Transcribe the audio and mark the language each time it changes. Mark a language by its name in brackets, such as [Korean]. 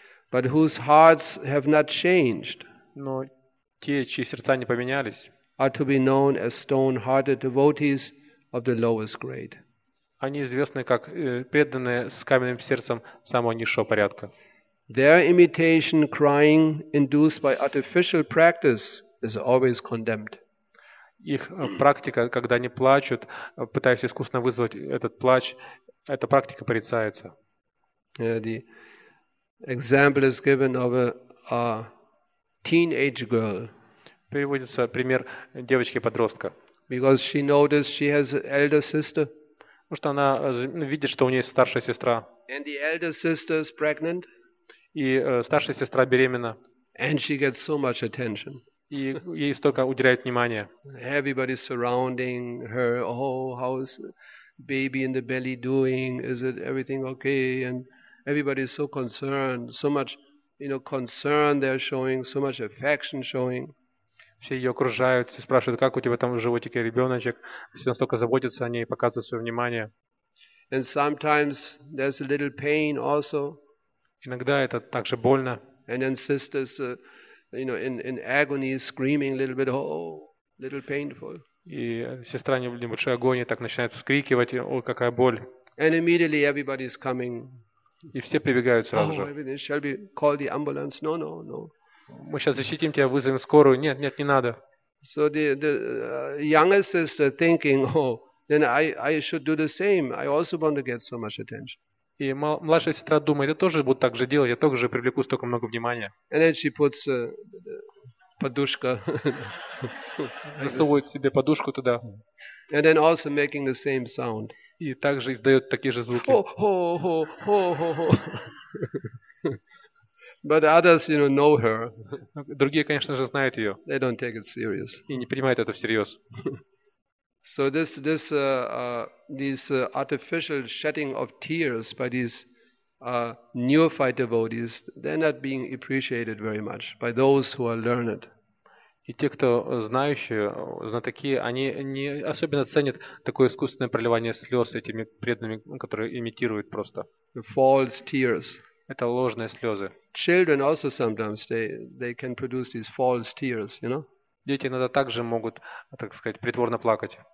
[English] But whose hearts have not changed. [Russian] Но те, чьи сердца не поменялись. [English] Are to be known as stone-hearted devotees of the lowest grade. [Russian] Они известны как преданные с каменным сердцем самого низшего порядка. [English] Their imitation crying induced by artificial practice is always condemned. [Russian] Их практика, когда они плачут, пытаясь искусственно вызвать этот плач, эта практика порицается. [English] The example is given of a teenage girl. [Russian] Приводится пример девочки-подростка. [English] Because she noticed she has an elder sister. [Russian] Потому что она видит, что у нее есть старшая сестра. [English] And the elder sister is pregnant. [Russian] И старшая сестра беременна. [English] And she gets so much attention. [Russian] И ей столько уделяют внимания. [English] Everybody surrounding her. Oh, how's baby in the belly doing? Is it everything okay? And everybody is so concerned, so much, you know, concern they're showing, so much affection showing. [Russian] Все ее окружают, все спрашивают, как у тебя там в животике ребеночек. Все настолько заботятся о ней, показывают свое внимание. [English] And sometimes there's a little pain also. [Russian] Иногда это также больно. [English] And then sisters, you know, in agony, screaming a little bit, oh, little painful. [Russian] И сестра в небольшой агонии так начинает вскрикивать, ой, какая боль. [English] And immediately everybody's coming. [Russian] И все прибегают сразу же. [English] Oh, shall we call the ambulance? No, no, no. [Russian] Мы сейчас защитим тебя, вызовем скорую. Нет, нет, не надо. [English] So the younger sister thinking, oh, then I should do the same. I also want to get so much attention. [Russian] И младшая сестра думает, я тоже буду так же делать, я тоже привлеку столько много внимания. [English] And then she puts [Russian] подушка. Засовывает себе подушку туда. [English] And then also making the same sound. [Russian] И также издает такие же звуки. Oh, oh, oh, oh, oh. [English] But others, you know her. [Russian] Другие, конечно же, знают ее. [English] They don't take it serious. [Russian] И не принимают это всерьез. [English] So this this artificial shedding of tears by these neophyte devotees, they're not being appreciated very much by those who are learned. [Russian] И те, кто знающие, знатоки, они не особенно ценят такое искусственное проливание слез этими преданными, которые имитируют просто. [English] The false tears. [Russian] Это ложные слезы. [English] Children also sometimes they can produce these false tears, you know? [Russian] Дети иногда также могут, так сказать, притворно плакать.